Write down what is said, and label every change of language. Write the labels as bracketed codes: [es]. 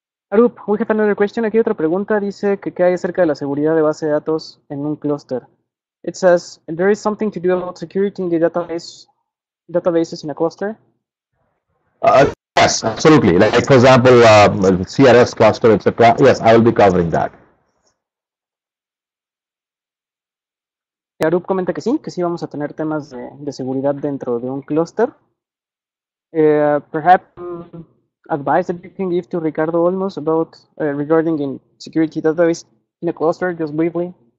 [en] Arup, we have another question. [es] Aquí otra pregunta dice que qué hay acerca de la seguridad de base de datos en un cluster. [en] It says there is something to do about security in the databases in a cluster. Yes, absolutely. Like for example, CRS cluster, etc. Yes, I will be covering that. [es] Arup comenta que sí vamos a tener temas de seguridad dentro de un cluster. [en] Perhaps advice that you can give to Ricardo Olmos about regarding in security database in a cluster, just briefly.